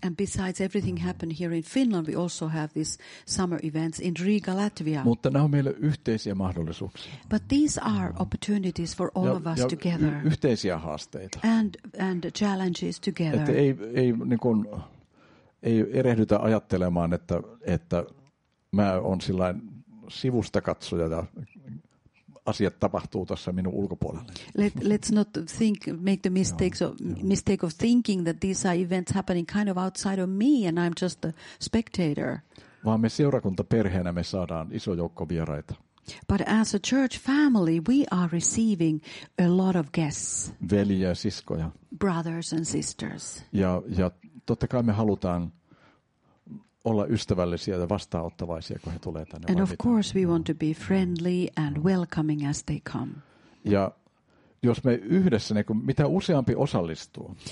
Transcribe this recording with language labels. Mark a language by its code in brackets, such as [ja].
[en] And besides everything happened here in Finland, we also have these summer events in Riga, Latvia. [fi] Mutta nämä on meille yhteisiä mahdollisuuksia. [en] But these are opportunities for all of us together. [fi] Yhteisiä haasteita. [en] And challenges together. [fi] Että ei niin kuin ei erehdytä ajattelemaan, että mä oon sillain sivusta katsoja ja asiat tapahtuu tässä minun ulkopuolelle. [en] Let's not think, make the mistake of thinking that these are events happening kind of outside of me and I'm just a spectator. [fi] Vaan me seurakuntaperheenä me saadaan iso joukko vieraita. [en] But as a church family, we are receiving a lot of guests. [fi] Veljiä ja siskoja. [en] Brothers and sisters. [fi] Ja totta kai me halutaan olla ystävällisiä ja vastaanottavaisia, kun he tulee tänne. [en] And of course we want to be friendly and welcoming as they come. [fi] Ja jos me yhdessä, niin mitä useampi osallistuu.